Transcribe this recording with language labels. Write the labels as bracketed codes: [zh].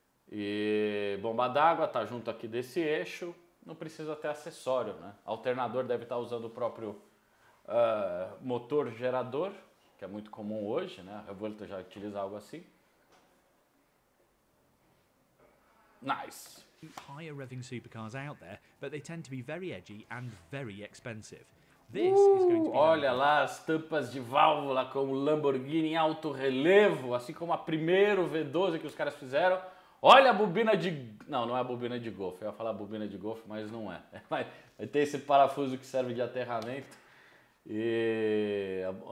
[pt] E bomba d'água está junto aqui desse eixo. Não precisa ter acessório, né? Alternador deve estar usando o próprio motor gerador, que é muito comum hoje, né? A Revolta já utiliza algo assim. [en] Nice. Higher revving supercars out there, but they tend to be very edgy and very expensive. This is going to be [pt] Olha lá as tampas de válvula com o Lamborghini em alto relevo, assim como a primeiro V12 que os caras fizeram. Olha a bobina de. Não, não é a bobina de Golf. Eu ia falar bobina de Golf, mas não é. Vai ter esse parafuso que serve de aterramento. E.